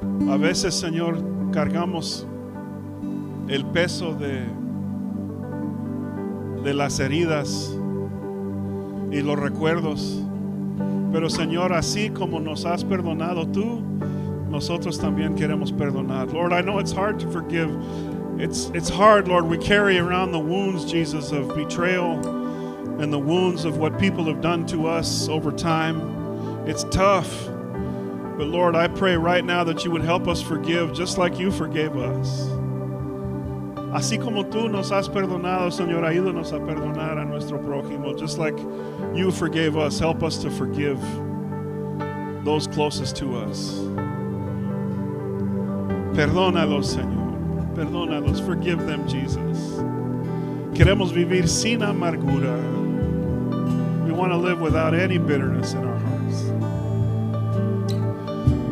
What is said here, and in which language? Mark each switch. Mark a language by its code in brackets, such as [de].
[es] A veces, Señor, cargamos el peso de las heridas y los recuerdos. Pero, Señor, así como nos has perdonado tú, nosotros también queremos perdonar. [en] Lord, I know it's hard to forgive. It's hard, Lord. We carry around the wounds, Jesus, of betrayal. And the wounds of what people have done to us over time. It's tough. But Lord, I pray right now that you would help us forgive just like you forgave us. [es] Así como tú nos has perdonado, Señor, ayúdanos a perdonar a nuestro prójimo. [en] Just like you forgave us, help us to forgive those closest to us. [es] Perdónalos, Señor. Perdónalos. [en] Forgive them, Jesus. [es] Queremos vivir sin amargura. [en] Want to live without any bitterness in our hearts.